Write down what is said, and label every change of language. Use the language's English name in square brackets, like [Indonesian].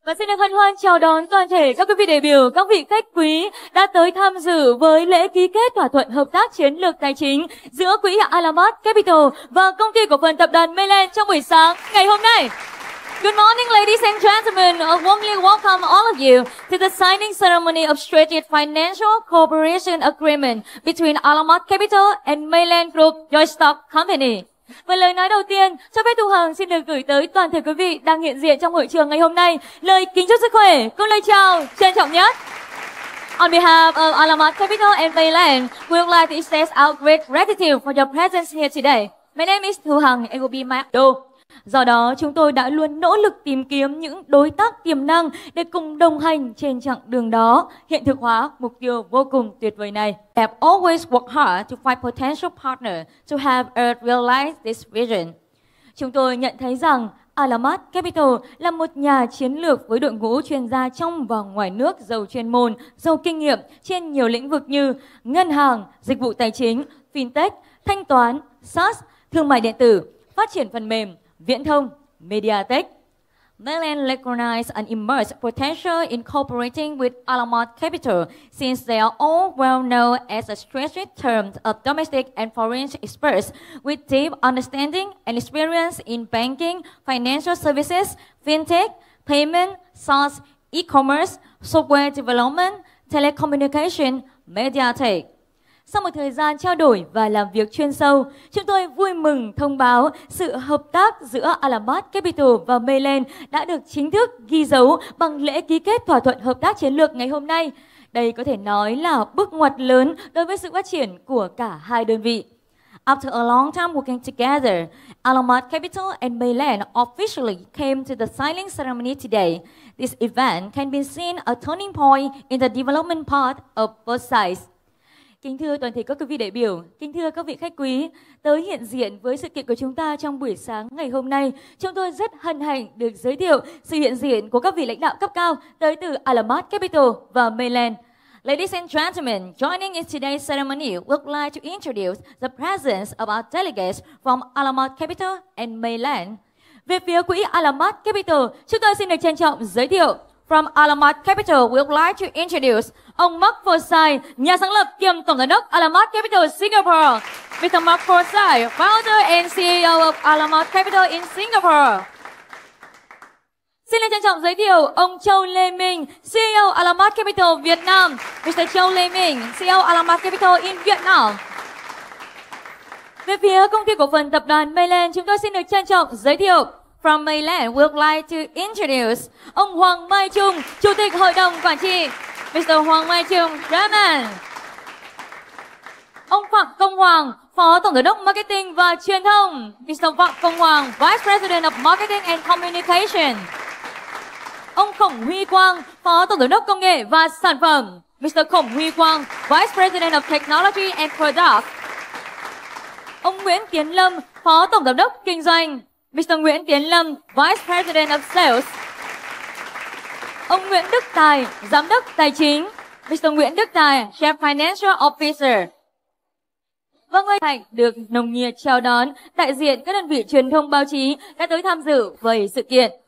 [Vietnamese] Và xin được hân hoan chào đón toàn thể các quý vị đại biểu, các vị khách quý đã tới tham dự với lễ ký kết thỏa thuận hợp tác chiến lược tài chính giữa quỹ Alamat Capital và công ty cổ phần tập đoàn Mellen trong buổi sáng ngày hôm nay. [English] Good morning, ladies and gentlemen. I warmly welcome all of you to the signing ceremony of strategic financial cooperation agreement between Alamat Capital and Mellen Group, your stock company. [Vietnamese] Và lời nói đầu tiên, cho phép Thu Hằng xin được gửi tới toàn thể quý vị đang hiện diện trong hội trường ngày hôm nay lời kính chúc sức khỏe, câu lời chào trân trọng nhất. [English] On behalf of Alamat Capital and Mellen, we would like to express our great gratitude for your presence here today. My name is Thu Hằng, it will be my do. [Vietnamese] Do đó, chúng tôi đã luôn nỗ lực tìm kiếm những đối tác tiềm năng để cùng đồng hành trên chặng đường đó, hiện thực hóa mục tiêu vô cùng tuyệt vời này. [English] I have always worked hard to find potential partner to have us realize this vision. [Vietnamese] Chúng tôi nhận thấy rằng Alamat Capital là một nhà chiến lược với đội ngũ chuyên gia trong và ngoài nước giàu chuyên môn, giàu kinh nghiệm trên nhiều lĩnh vực như ngân hàng, dịch vụ tài chính, fintech, thanh toán, SaaS, thương mại điện tử, phát triển phần mềm, viễn thông, media tech. [English] Mellen recognize an immense potential in cooperating with Alamat Capital since they are all well known as a strategic term of domestic and foreign experts with deep understanding and experience in banking, financial services, fintech, payment, SaaS, e-commerce, software development, telecommunication, media tech. [Vietnamese] Sau một thời gian trao đổi và làm việc chuyên sâu, chúng tôi vui mừng thông báo sự hợp tác giữa Alamat Capital và Mellen đã được chính thức ghi dấu bằng lễ ký kết thỏa thuận hợp tác chiến lược ngày hôm nay. Đây có thể nói là bước ngoặt lớn đối với sự phát triển của cả hai đơn vị. [English] After a long time working together, Alamat Capital and Mellen officially came to the signing ceremony today. This event can be seen a turning point in the development path of both sides. [Vietnamese] Kính thưa toàn thể các quý vị đại biểu, kính thưa các vị khách quý, tới hiện diện với sự kiện của chúng ta trong buổi sáng ngày hôm nay, chúng tôi rất hân hạnh được giới thiệu sự hiện diện của các vị lãnh đạo cấp cao tới từ Alamat Capital và Mellen. [English] Ladies and gentlemen, joining in today's ceremony, we'd like to introduce the presence of our delegates from Alamat Capital and Mellen. [Vietnamese] Về phía quỹ Alamat Capital, chúng tôi xin được trân trọng giới thiệu. [English] From Alamat Capital, we would like to introduce [Vietnamese] ông Mark Forsyth, nhà sáng lập kiêm tổng giám đốc Alamat Capital Singapore. [English] Mr. Mark Forsyth, founder and CEO of Alamat Capital in Singapore. [Vietnamese] Xin trân trọng giới thiệu ông Châu Lê Minh, CEO Alamat Capital Việt Nam. Mr. Châu Lê Minh, [English] CEO Alamat Capital in Vietnam. [Vietnamese] Về phía công ty cổ phần tập đoàn Mellen, chúng tôi xin được trân trọng giới thiệu. [English] From Mellen, we would like to introduce [Vietnamese] ông Hoàng Mai Trung, Chủ tịch Hội đồng Quản trị, Mr. [English] Hoàng Mai Trung, Chairman. [Vietnamese] Ông Phạm Công Hoàng, Phó Tổng Giám đốc Marketing và Truyền thông, Mr. [English] Phạm Công Hoàng, Vice President of Marketing and Communication. [Vietnamese] Ông Khổng Huy Quang, Phó Tổng Giám đốc Công nghệ và Sản phẩm, Mr. [English] Khổng Huy Quang, Vice President of Technology and Product. [Vietnamese] Ông Nguyễn Tiến Lâm, Phó Tổng Giám đốc Kinh doanh, Mr. [English] Nguyễn Tiến Lâm, Vice President of Sales. [Vietnamese] Ông Nguyễn Đức Tài, Giám đốc Tài chính. [English] Mr. [Vietnamese] Nguyễn Đức Tài, [English] Chief Financial Officer. [Vietnamese] Vâng, hân hạnh được nồng nhiệt chào đón đại diện các đơn vị truyền thông báo chí đã tới tham dự với sự kiện.